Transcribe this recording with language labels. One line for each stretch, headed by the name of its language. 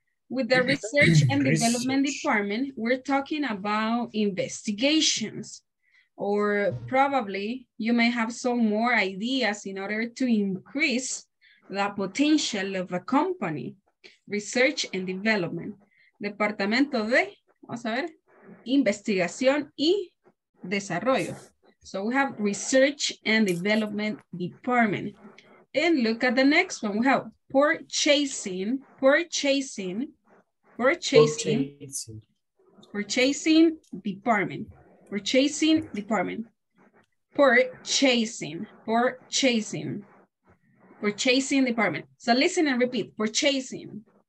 English: With the research and development department, we're talking about investigations, or probably you may have some more ideas in order to increase the potential of a company. Research and development.
Spanish: Departamento de, vamos a ver, investigación y desarrollo.
English: So we have research and development department. And look at the next one. We have Purchasing department. So listen and repeat. Purchasing.